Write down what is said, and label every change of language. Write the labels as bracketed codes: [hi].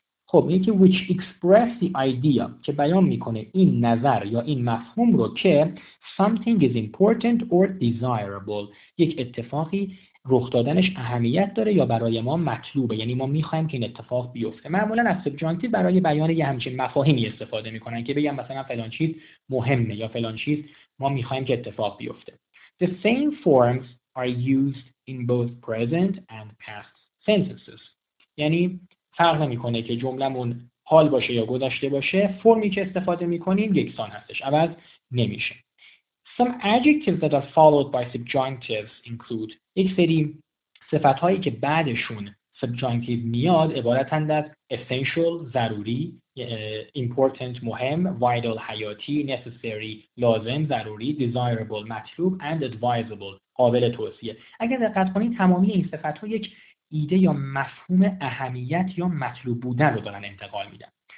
[fa] خب این که [en] which express the idea، [fa] که بیان میکنه این نظر یا این مفهوم رو که [en] something is important or desirable، [fa] یک اتفاقی رخ دادنش اهمیت داره یا برای ما مطلوبه، یعنی ما میخوایم که این اتفاق بیفته. معمولا از سبجانکتیو برای بیان یه همچین مفاهیمی استفاده میکنن که بگم مثلا فلان چیز مهمه یا فلان چیز ما میخوایم که اتفاق بیفته. [en] The same forms are used in both present and past sentences. [fa] یعنی فرق نمیکنه که جملمون حال باشه یا گذشته باشه، فرمی که استفاده میکنیم یکسان هستش، عوض نمیشه. [en] Some adjectives that are followed by subjunctives include. [fa] یک سری صفت هایی که بعدشون subjunctive میاد عبارتند از essential، ضروری، important، مهم، vital، حیاتی، necessary، لازم، ضروری، desirable، مطلوب، and advisable، قابل توصیه. اگر دقت کنید تمامی این صفت ها یک ایده یا مفهوم اهمیت یا مطلوب بودن رو دارن انتقال میدن.